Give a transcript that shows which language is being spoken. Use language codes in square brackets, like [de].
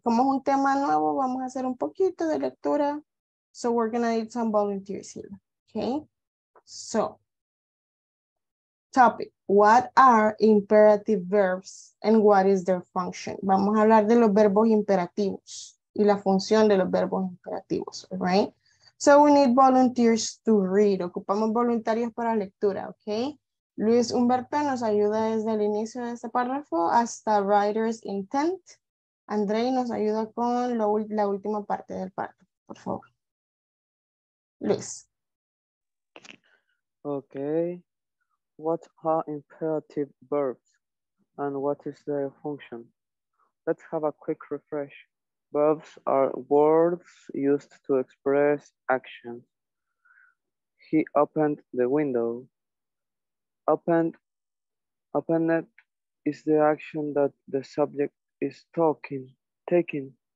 [es] Como es un tema nuevo, vamos a hacer un poquito de lectura. [en] So we're gonna need some volunteers here, okay? So, topic, what are imperative verbs and what is their function? [es] Vamos a hablar de los verbos imperativos y la función de los verbos imperativos, right? [en] So we need volunteers to read. [es] Ocupamos voluntarios para lectura, [en] okay? [es] Luis Humberto nos ayuda desde el inicio de este párrafo hasta writer's intent. André nos ayuda con la última parte del párrafo, por favor. Luis. [en] Okay. What are imperative verbs and what is their function? Let's have a quick refresh. Verbs are words used to express action. He opened the window. Opened is the action that the subject is taking.